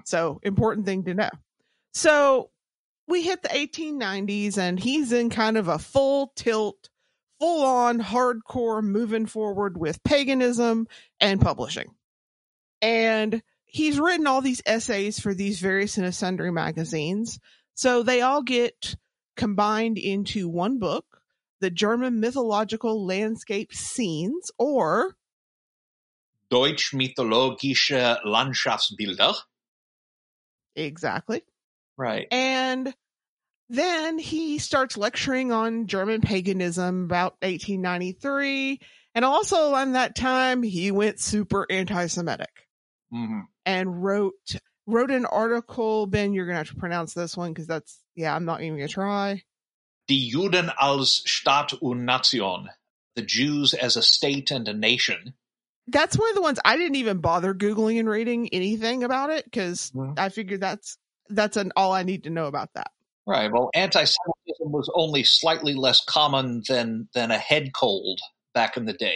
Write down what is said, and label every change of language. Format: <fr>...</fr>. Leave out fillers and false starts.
<en>So important thing to know. So we hit the 1890s, and he's in kind of a full tilt, full on hardcore moving forward with paganism and publishing. And he's written all these essays for these various and sundry magazines. So they all get combined into one book the German mythological landscape scenes, or</en> <de>Deutsch mythologische Landschaftsbilder.</de> <en>Exactly. Right. And then he starts lecturing on German paganism about 1893. And also on that time, he went super anti-Semitic. Mm-hmm. And wrote an article. Ben, you're going to have to pronounce this one because that's, I'm not even going to try.</en> <de>Die Juden als Staat und Nation.</de> <en>The Jews as a state and a nation. That's one of the ones I didn't even bother Googling and reading anything about it because I figured that's an all I need to know about that. Right. Well, anti-Semitism was only slightly less common than a head cold back in the day.</en>